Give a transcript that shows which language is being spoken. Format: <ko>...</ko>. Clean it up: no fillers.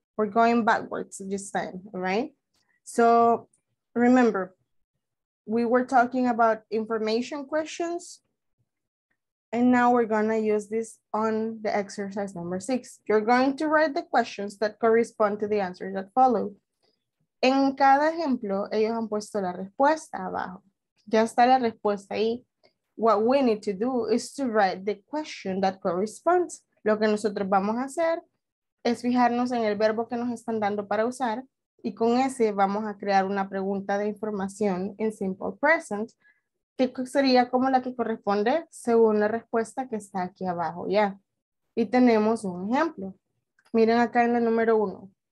<en>We're going backwards this time, all right? So remember, we were talking about information questions, and now we're gonna use this on the exercise number 6. You're going to write the questions that correspond to the answers that follow.</en> <es>En cada ejemplo, ellos han puesto la respuesta abajo. Ya está la respuesta ahí.</es> <en>What we need to do is to write the question that corresponds.</en> <es>Lo que nosotros vamos a hacer es fijarnos en el verbo que nos están dando para usar y con ese vamos a crear una pregunta de información en simple present que sería como la que corresponde según la respuesta que está aquí abajo ya. Y tenemos un ejemplo. Miren acá en la número 1.</es>